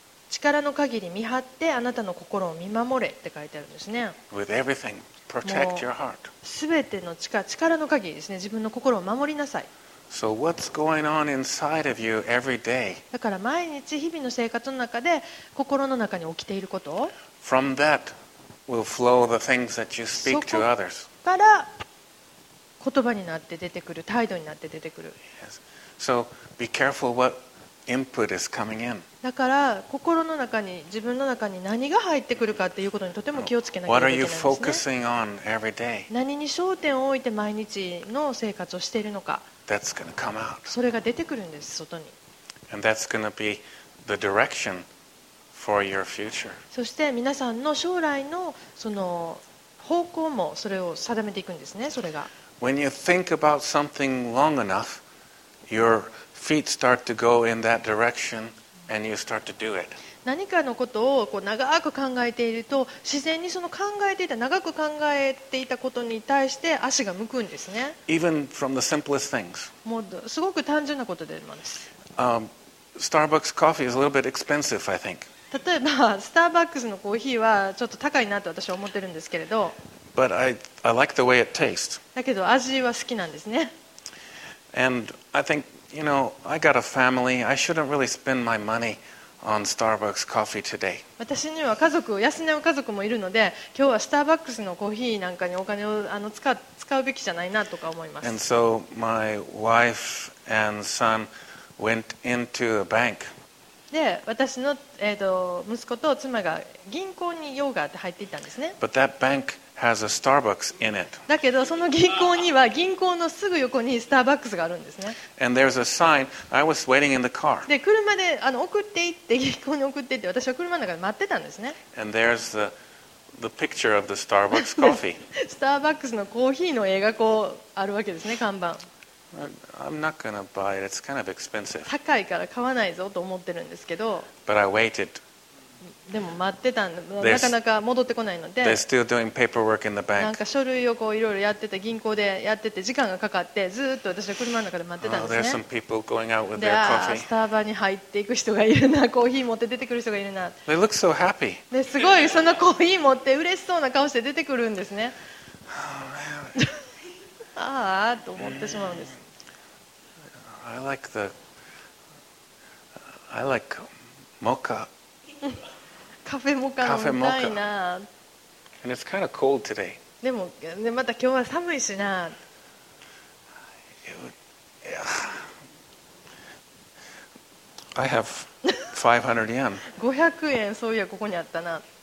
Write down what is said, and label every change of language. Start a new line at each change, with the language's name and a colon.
Japanese: 力の限り見張ってあなたの心を見守れって書いてあるんですね。
English: With everything, protect your heart.
Japanese: 全ての力の限りですね、自分の心を守りなさい。
English: So what's going on inside of you every day?
Japanese: だから毎日日々の生活の中で心の中に起きていること。
English: From that will flow the things that you speak to others.
Japanese: そこから言葉になって出てくる、態度になって出てくる。
English: Yes. So be careful what input is coming in.
Japanese: だから心の中に自分の中に何が入ってくるかっていうことにとても気をつけなきゃいけないんですね。
English: What are you focusing on every day?
Japanese: 何に焦点を置いて毎日の生活をしているのか。
English: That's going to come out.
Japanese: それが出てくるんです、外に。
English: And that's going to be the direction for your future.
Japanese: そして皆さんの将来のその方向もそれを定めていくんですね、それが。
English: When you think about something long enough, your feet start to go in that direction and you start to do it.
Japanese: 何かのことをこう長く考えていると、自然にその考えていた、長く考えていたことに対して足が向くんですね。
English: Even from the simplest things.
Japanese: もうすごく単純なことでもです。
English: Starbucks coffee is a little bit expensive, I think.
Japanese: 例えば、スターバックスのコーヒーはちょっと高いなと私は思ってるんですけれど。
English: But I like the way it tastes.
Japanese: だけど味は好きなんですね。
English: And I think, you know, I got a family. I shouldn't really spend my money. On Starbucks coffee today.
Japanese: 私には家族、養う家族もいるので、今日はスターバックスのコーヒーなんかにお金を使うべきじゃないなとか思います。
English: And so my wife and son went into a bank.
Japanese: で、私の、息子と妻が銀行に用があって入っていったんですね。
English: But that bank has a Starbucks in it.
Japanese: だけどその銀行には銀行のすぐ横にスターバックスがあるんですね。
English: And there's a sign. I was waiting in the car.
Japanese: で車で送っていって銀行に送っていって私は車の中で待ってたんですね。
English: And there's the picture of the Starbucks coffee.
Japanese: スターバックスのコーヒーの絵がこうあるわけですね、看板。
English: I'm not gonna buy it. It's kind of expensive.
Japanese: 高いから買わないぞと思ってるんですけど。
English: But I waited.
Japanese: でも待ってたんで、なかなか戻ってこないので、
English: They're still doing paperwork in the bank.
Japanese: なんか書類をこういろいろやってて、銀行でやってて、時間がかかって、ずっと私は車の中で待ってたんですね。
English: There's some people going out with their coffee.
Japanese: スターバーに入っていく人がいるな、コーヒー持って出てくる人がいるな。
English: They look so happy.
Japanese: で、すごいそのコーヒー持って嬉しそうな顔して出てくるんですね。ああと思ってしまうんです。
English: I like mocha.
Japanese: カフェモカ飲みたいな。
English: And it's kind of cold today.
Japanese: でも、ね、また今日は寒いしな。
English: I have 500 yen.
Japanese: 500円、そういやここにあったな。